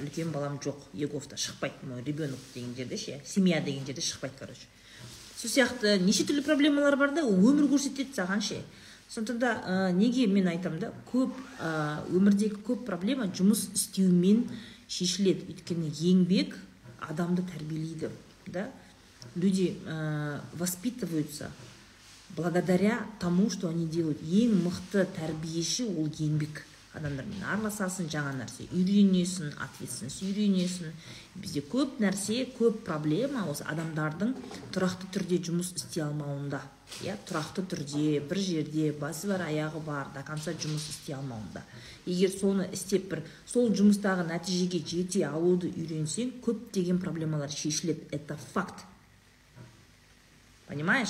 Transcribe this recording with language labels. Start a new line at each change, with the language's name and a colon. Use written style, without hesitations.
Kazakh: Үлкен балам жоқ, еговта шықпайды.
Russian: Мой ребенок
Kazakh: деген жерде ше, семья деген жерде шықпайды, короче. Сол сияқты неше түрлі проблемалар бар да, өмір көрсетеді саған ше. Сондықтан да неге мен айтамын да, көп өмірдегі көп проблема жұмыс істеумен шешіледі. Өйткені еңбек адамды тәрбиелейді, да?
Russian: Люди воспитываются благодаря тому, что они делают,
Kazakh: ең мықты тәрбиеші ол еңбек. Адамдармен араласасың, жаңа нәрсе үйренесің, ответственность үйренесің. Бізде көп нәрсе, көп проблема осы адамдардың тұрақты түрде жұмыс істей алмауында. Иә, тұрақты түрде бір жерде басы бар, аяғы бар, да қанша жұмыс істей алмауында. Егер соны істеп бір сол жұмыстағы нәтижеге жете алуды үйренсең, көп деген проблемалар шешіледі.
Russian: Это факт. Понимаешь?